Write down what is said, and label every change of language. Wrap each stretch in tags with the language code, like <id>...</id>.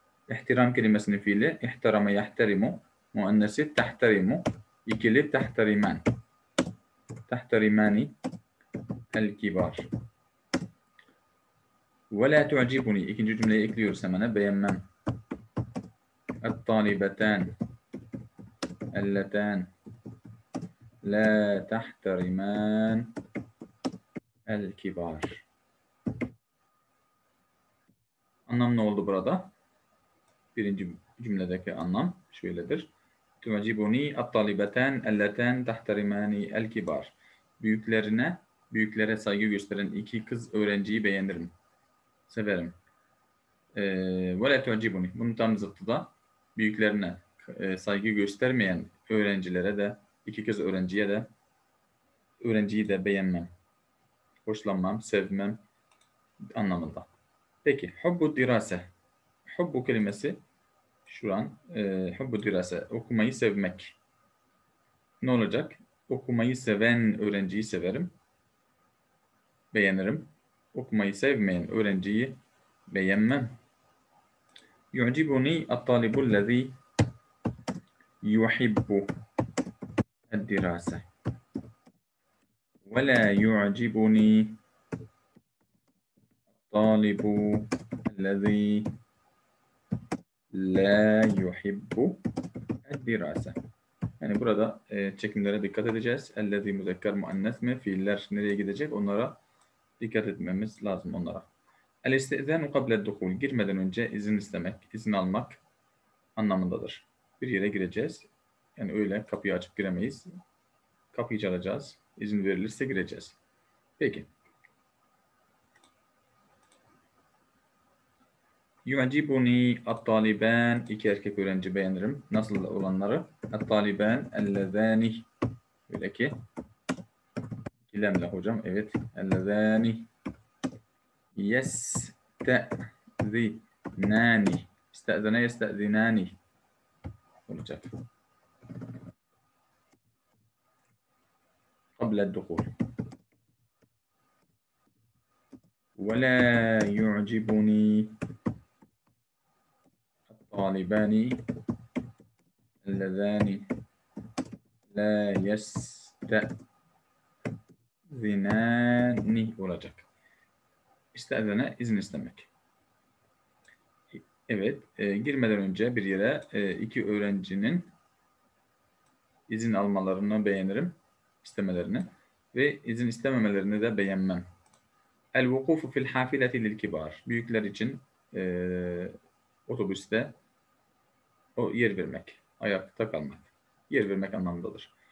<tr>İhtiram kelimesinin fiili</tr> <ar>ihtarama yahtarimu muannesi tahtarimu ikili tahtariman. Tahtarimani el kibar. وَلَا تُعْجِبُنِي</ar> <tr>İkinci cümleyi ekliyoruz hemen. Beğenmem.</tr> <ar>الطالبتان اللتان لا تحترمان الكبار.</ar> <tr>Anlam ne oldu burada? Birinci cümledeki anlam şöyledir.</tr> <ar>تُعْجِبُنِي الطالبتان اللتان تحترماني الكبار.</ar> <tr>Büyüklere saygı gösteren iki kız öğrenciyi beğenirim. Severim.</tr> <ar>وَلَا تُعْجِبُنِي</ar> <tr>Bunun tam zıttı da büyüklerine saygı göstermeyen öğrencilere de, iki kız öğrenciye de, öğrenciyi de beğenmem, hoşlanmam, sevmem anlamında. Peki, hubbu dirase. Hubbu kelimesi şuran, hubbu dirase, okumayı sevmek. Ne olacak? Okumayı seven öğrenciyi severim, beğenirim. Okumayı sevmeyen öğrenciyi beğenmem.</tr> <ar>يُعْجِبُنِي الطَّالِبُ الَّذ۪ي يُحِبُّ الدِّرَاسَ وَلَا يُعْجِبُنِي الطَّالِبُ الَّذ۪ي لَا يُحِبُّ الدِّرَاسَ</ar> <tr>Yani burada çekimlere dikkat edeceğiz.</tr> <ar>اَلَّذ۪ي مُذَكَّرْ مُعَنَّثْ مِ</ar> <tr>Fiiller nereye gidecek? Onlara dikkat etmemiz lazım onlara.</tr> <ar>El-istezenu kable dukul,</ar> <tr>girmeden önce izin istemek, izin almak anlamındadır. Bir yere gireceğiz. Yani öyle kapıyı açıp giremeyiz. Kapıyı çalacağız. İzin verilirse gireceğiz. Peki.</tr> <ar>Yu'cibuni at-taliban,</ar> <tr>iki erkek öğrenci beğenirim. Nasıl olanları?</tr> <ar>At-taliban ellezani.</ar> <tr>Öyle ki. İkilemle hocam. Evet. Ellezani.</tr> <ar>يَسْتَأْذِنَانِ İstezene يَسْتَأْذِنَانِ</ar> <tr>olacak.</tr> <ar>قَبْلَ الدُّخُولِ وَلَا يُعْجِبُنِي الطَّالِبَانِ اللَّذَانِ لَا يَسْتَأْذِنَانِ</ar> <tr>olacak. İstezene izin istemek. Evet, girmeden önce bir yere iki öğrencinin izin almalarını beğenirim, istemelerini ve izin istememelerini de beğenmem.</tr> <ar>El vukufu fil hafileti lil kibar.</ar> <tr>Büyükler için otobüste o yer vermek, ayakta kalmak, yer vermek anlamındadır.</tr>